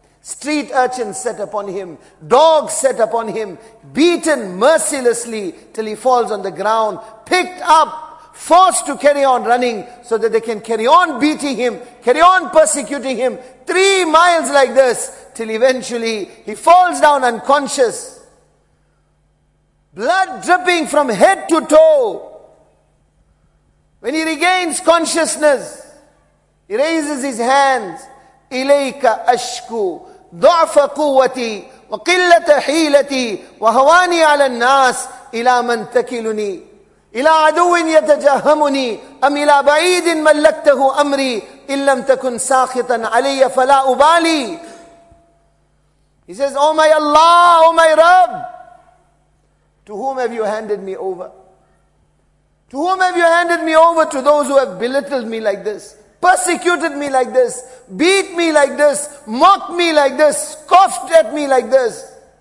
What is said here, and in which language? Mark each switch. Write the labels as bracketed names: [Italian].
[English] Street urchins set upon him, dogs set upon him, beaten mercilessly till he falls on the ground, picked up, forced to carry on running so that they can carry on beating him, carry on persecuting him, 3 miles like this, till eventually he falls down unconscious. Blood dripping from head to toe. When he regains consciousness, he raises his hands. [Arabic] إِلَيْكَ أَشْكُو ضَعْفَ قُوَّتِي وقلة حيلتي وهواني على الناس إلى من تكلني إلى عدو يتجهمني أم إلى بعيد ملكته أمري إن لم تكن ساخطا علي فلا أبالي. [English] He says, Oh my Allah, Oh my Rabb, to whom have you handed me over? To whom have you handed me over? To those who have belittled me like this, persecuted me like this, beat me like this, mocked me like this, scoffed at me like this.